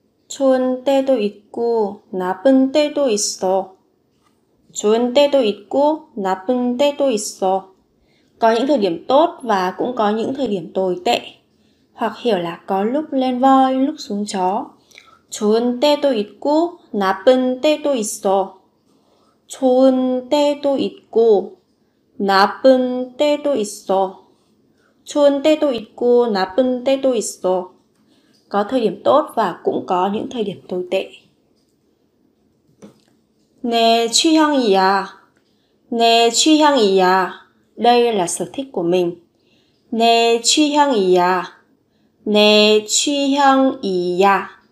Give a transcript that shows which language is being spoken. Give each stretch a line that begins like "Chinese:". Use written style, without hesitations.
Korean: 좋은 때도 있고 나쁜 때도 있어. 좋은 때도 있고 나쁜 때도 있어.
Vietnamese: Có những thời điểm tốt và cũng có những thời điểm tồi tệ. Hoặc hiểu là có lúc lên voi, lúc xuống chó.
Korean: 좋은 때도 있고 나쁜 때도 있어. 좋은 때도 있고 나쁜 때도 있어. 좋은 때도 있고 나쁜 때도 있어.
Vietnamese: Có thời điểm tốt và cũng có những thời điểm tồi tệ.
Korean: 내 취향이야. 내 취향이야.
Vietnamese: Đây là sở thích của mình.
Korean: 내 취향이야. 내 취향이야.